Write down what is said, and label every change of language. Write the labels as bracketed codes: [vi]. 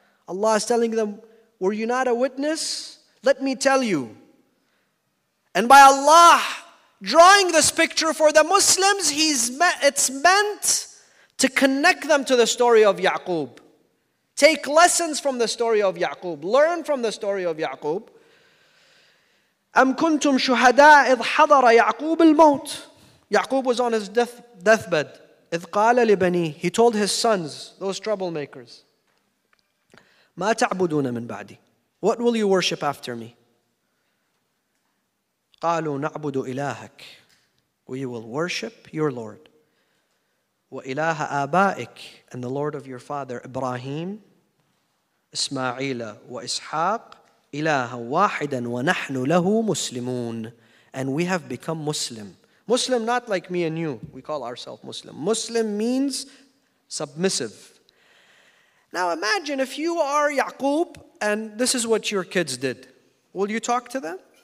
[en] Allah is telling them, were you not a witness? Let me tell you. And by Allah drawing this picture for the Muslims, it's meant to connect them to the story of Ya'qub. Take lessons from the story of Ya'qub. Learn from the story of Ya'qub. [ar] أَمْ كُنْتُمْ شُهَدَاءَ إِذْ حَضَرَ يَعْقُوبُ الْمَوْتِ [en] Ya'qub was on his deathbed. [ar] إِذْ قَالَ لِبَنِيهِ [en] He told his sons, those troublemakers, [ar] مَا تَعْبُدُونَ مِنْ بَعْدِي [en] What will you worship after me? [ar] قالوا نعبد إلهك [en] We will worship your Lord [ar] وإله آبائك [en] And the Lord of your father [ar] إبراهيم إسماعيل وإسحاق إله واحدا ونحن له مسلمون [en] And we have become Muslim Muslim not like me and you We call ourselves Muslim Muslim means submissive Now imagine if you are Ya'qub And this is what your kids did Will you talk to them?